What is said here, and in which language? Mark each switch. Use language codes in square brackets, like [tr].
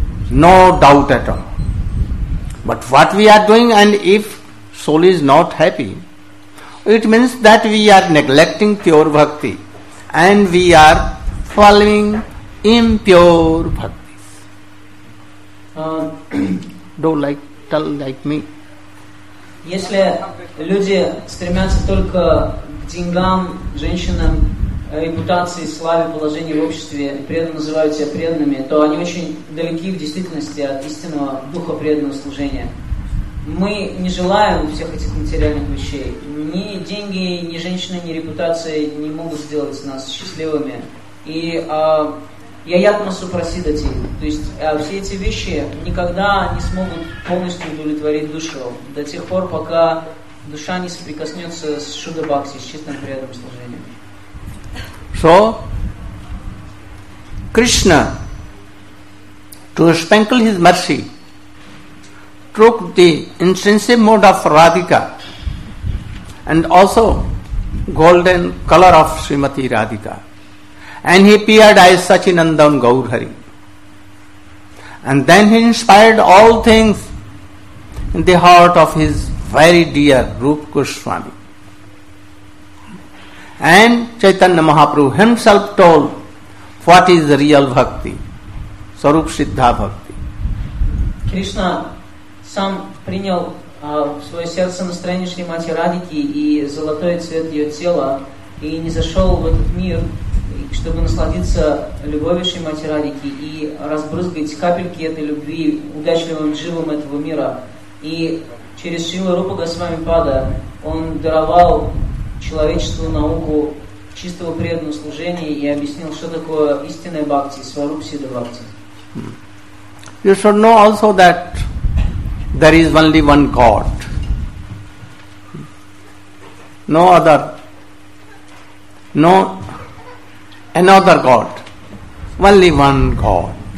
[en] No doubt at all. But what we are doing, and if soul is not happy, it means that we are neglecting pure bhakti and we are following impure bhakti. Don't tell like me. [ru] Если люди стремятся только к деньгам, женщинам, репутации, славе, положению в обществе, преданно называют себя преданными, то они очень далеки в действительности от истинного духа преданного служения. Мы не желаем всех этих материальных вещей. Ни деньги, ни женщины, ни репутация не могут сделать нас счастливыми. И яятма супрасидати, то есть все эти вещи никогда не смогут полностью удовлетворить душу до тех пор, пока душа не соприкоснется с шудабхакти, с чистым преданным служением. [en] So, Krishna, to sprinkle his mercy, took the intrinsic mode of Radhika and also golden color of Srimati Radhika. And he appeared as Sachinandan Gaurhari. And then he inspired all things in the heart of his very dear Rupa Goswami. And Chaitanya Mahaprabhu himself told what is the real bhakti, Swarup Siddha Bhakti. [ru] Krishna сам принял в свое сердце настроение Шримати Радики и золотой цвет ее тела и не зашел в этот мир, чтобы насладиться любовью Шримати Радики и разбрызгать капельки этой любви удачливым дживам этого мира. И через Шрила Рупа Госвами Пада он даровал человечеству науку чистого преданного служения и объяснил, что такое истинная бхакти, Сваруп Сидда Бхакти. [en] You should know also that there is only one God, no other, no another God, only one God.